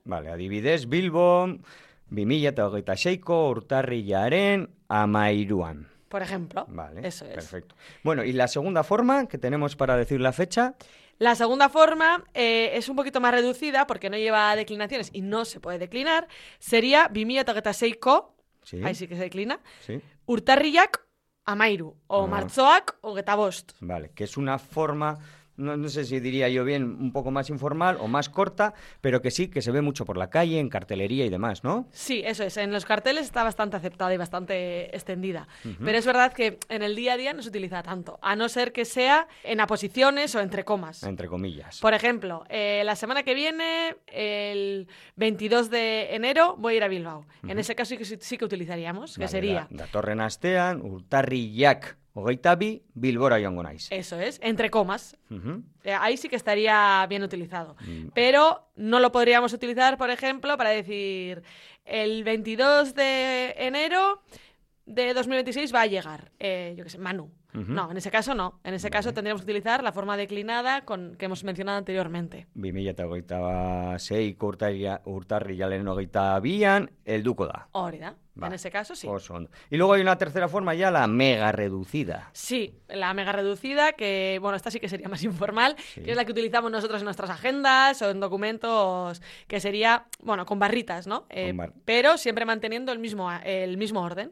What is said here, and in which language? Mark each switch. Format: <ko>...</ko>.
<eu>Vale, adibidez, Bilbo, 2026ko, urtarrilaren, amairuan.</eu> <es>Por ejemplo, vale, eso es. Perfecto. Bueno, y la segunda forma que tenemos para decir la fecha... La segunda forma es un poquito más reducida porque no lleva declinaciones y no se puede declinar. Sería 2026ko, sí. Ahí sí que se declina, sí.</es> <eu>Urtarrillak amairu o martxoak hogeita bost.</eu> <es>Vale, que es una forma, no sé si diría yo bien, un poco más informal o más corta, pero que sí, que se ve mucho por la calle, en cartelería y demás, ¿no? Sí, eso es. En los carteles está bastante aceptada y bastante extendida. Pero es verdad que en el día a día no se utiliza tanto, a no ser que sea en aposiciones o entre comas. Entre comillas. Por ejemplo, la semana que viene, el 22 de enero, voy a ir a Bilbao. En ese caso sí que utilizaríamos, que vale, sería...</es> <eu>Datorren astean, urtarrillak... Ogeita bi, Bilbora joango naiz.</eu> <es>Eso es, entre comas. Ahí sí que estaría bien utilizado. Pero no lo podríamos utilizar, por ejemplo, para decir el 22 de enero de 2026 va a llegar, yo qué sé, Manu. No, en ese caso no. En ese caso tendríamos que utilizar la forma declinada con que hemos mencionado anteriormente.</es> <eu>Bimilla eta ogeita sei, urtarrilaren ogeita bian, el duko da. Hori da.</eu> <es>Va. En ese caso, sí. Y luego hay una tercera forma ya, la mega reducida. Sí, la mega reducida, que, bueno, esta sí que sería más informal, sí. Que es la que utilizamos nosotros en nuestras agendas o en documentos, que sería, bueno, con barritas, ¿no? Pero siempre manteniendo el mismo orden.</es>